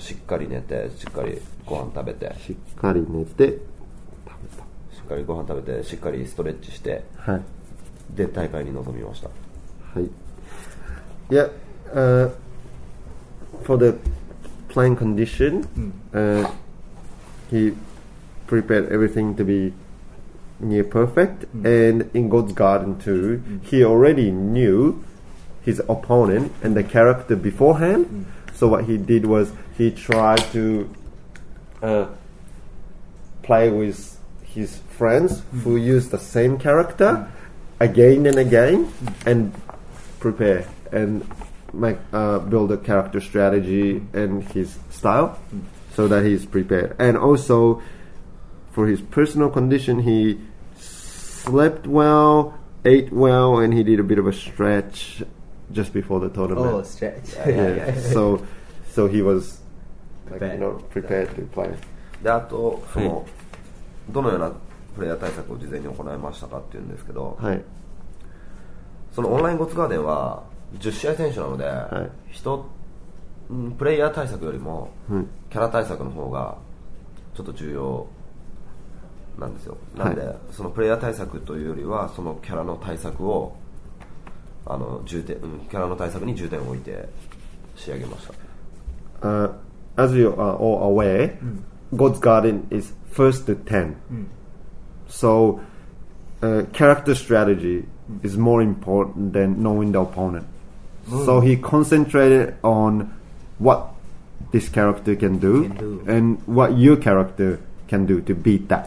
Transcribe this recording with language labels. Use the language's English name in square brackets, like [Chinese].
[Japanese] しっかり寝てしっかりご飯食べてしっかり寝てしっかりご飯食べてしっかりストレッチして、はい、で大会に臨みました。はい。 [English] Yeah, for the playing condition、he prepared everything to be near perfect、and in God's Garden 2、he already knew his opponent and the character beforehand、so what he did was he tried to、play withhis friends who use the same character again and again and prepare and make, build a character strategy and his style so that he's prepared. And also for his personal condition, he slept well, ate well, and he did a bit of a stretch just before the tournament. Oh, stretch. Yeah, yeah. So he was like, you know, prepared to play. That or more. [Japanese] どのようなプレイヤー対策を事前に行いましたかっていうんですけど、はい、そのオンラインゴツガーデンは10試合選手なので、はい、プレイヤー対策よりもキャラ対策の方がちょっと重要なんですよ。なので、はい、そのプレイヤー対策というよりはそのキャラの対策をキャラの対策に重点を置いて仕上げました。 [English] As you are all aware, God's Garden is first to 10. So character strategy is more important than knowing the opponent. So he concentrated on what this character can do, and what your character can do to beat that.